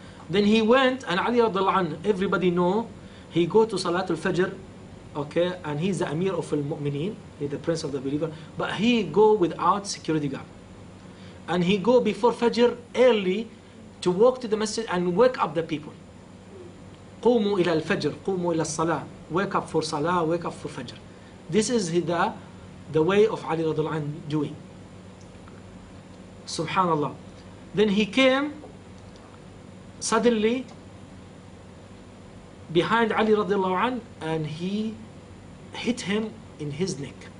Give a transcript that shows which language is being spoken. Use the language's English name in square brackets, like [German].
[English] Then he went, and Ali radiallahu anhu, everybody know, he go to Salatul Fajr, okay, and he's the Amir of al-Mu'mineen, he's the Prince of the Believer, but he go without security guard. And he go before Fajr early to walk to the masjid and wake up the people. [Arabic] قوموا إلى الفجر, قوموا إلى الصلاة, [English] wake up for Salah, wake up for Fajr. This is the way of Ali radiallahu anhu doing. Subhanallah. Then he came suddenly behind Ali radiallahu anhu and he hit him in his neck.